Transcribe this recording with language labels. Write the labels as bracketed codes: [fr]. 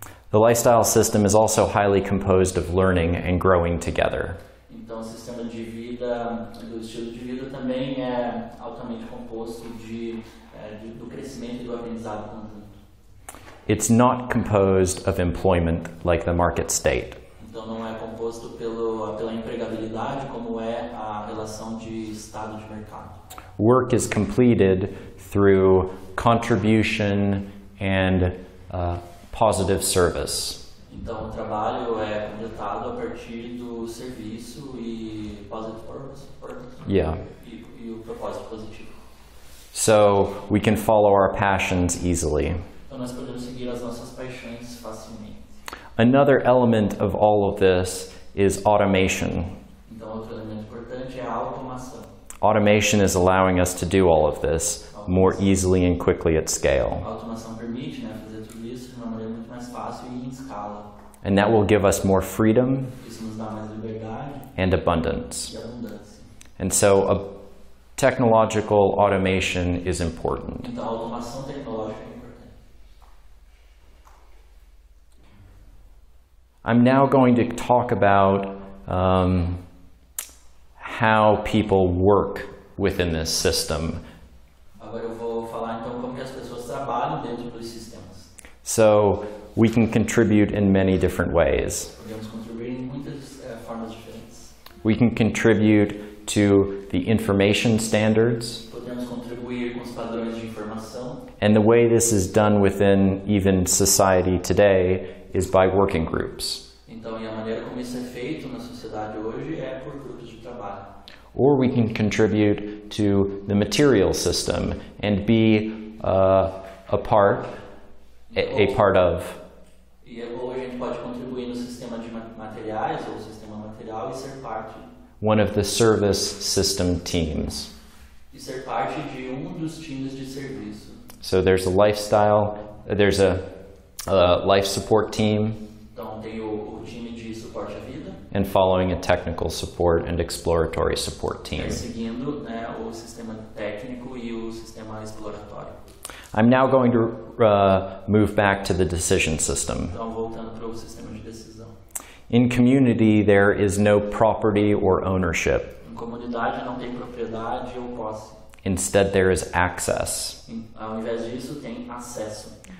[en] The lifestyle system is also highly composed of learning and growing together. [pt] Então o sistema de vida, do estilo de vida também é altamente composto do crescimento e do aprendizado conjunto. [en] It's not composed of employment like the market state. [pt] Então não é composto pela empregabilidade como é a relação de estado de mercado. [en] Work is completed through contribution and positive service. [pt] Então o trabalho é completado a partir do serviço e [en] positive purpose. Yeah. [pt] E o propósito positivo. [en] So we can follow our passions easily. [pt] Então nós podemos seguir as nossas paixões facilmente. [en] Another element of all of this is automation. [pt] Então, outro elemento importante é a automação. [en] Automation is allowing us to do all of this automação more easily and quickly at scale. [pt] Automação permite, né, fazer tudo isso de uma maneira muito mais fácil e em escala. [en] And that will give us more freedom. [pt] Isso nos dá mais liberdade [en] and abundance. [pt] E abundância. [en] And so technological automation is important. [pt] Então, automação tecnológica. [en] I'm now going to talk about how people work within this system. [pt] Agora eu vou falar então como que as pessoas trabalham dentro dos sistemas. [en] So we can contribute in many different ways. [pt] Podemos contribuir em muitas formas diferentes. [en] We can contribute to the information standards. [pt] Podemos contribuir com os padrões de informação. [en] And the way this is done within even society today is by working groups. [pt] Então, e a maneira como isso é feito na sociedade hoje é por grupos de trabalho. [en] Or we can contribute to the material system and be a part of. [pt] E ou a gente pode contribuir no sistema de materiais ou sistema material e ser parte. [en] One of the service system teams. [pt] E ser parte de dos times de serviço. [en] So there's a lifestyle, there's a life support team, [pt] então, tem o time de suporte à vida, [en] and following a technical support and exploratory support team. [pt] Seguindo, né, o sistema técnico e o sistema exploratório. [en] I'm now going to move back to the decision system. [pt] Então, voltando para o sistema de decisão. [en] In community, there is no property or ownership. [pt] Em comunidade, não tem propriedade ou posse. [en] Instead, there is access. [pt] Ao invés disso, tem acesso.